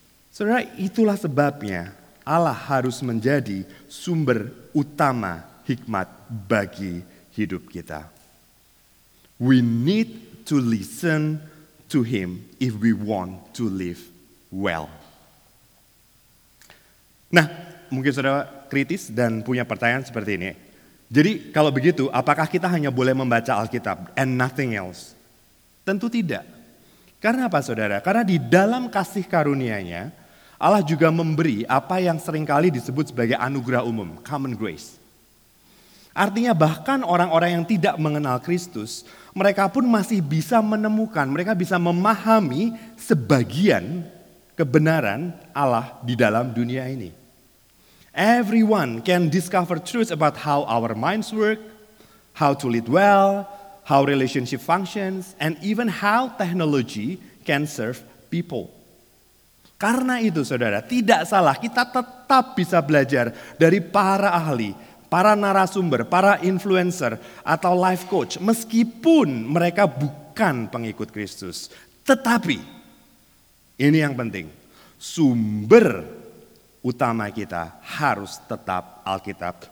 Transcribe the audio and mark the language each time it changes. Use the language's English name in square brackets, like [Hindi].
[Indonesian] Saudara, itulah sebabnya Allah harus menjadi sumber utama hikmat bagi hidup kita. [English] We need to listen to Him if we want to live well. [Indonesian] Nah, mungkin saudara kritis dan punya pertanyaan seperti ini. Jadi kalau begitu, apakah kita hanya boleh membaca Alkitab [English] and nothing else? [Indonesian] Tentu tidak. Karena apa saudara? Karena di dalam kasih karunia-Nya, Allah juga memberi apa yang seringkali disebut sebagai anugerah umum, common grace. Artinya bahkan orang-orang yang tidak mengenal Kristus, mereka pun masih bisa menemukan, mereka bisa memahami sebagian kebenaran Allah di dalam dunia ini. [English] Everyone can discover truth about how our minds work, how to lead well, how relationship functions, and even how technology can serve people. [Indonesian] Karena itu saudara, tidak salah kita tetap bisa belajar dari para ahli, para narasumber, para influencer, atau life coach, meskipun mereka bukan pengikut Kristus. Tetapi, ini yang penting, sumber utama kita harus tetap Alkitab.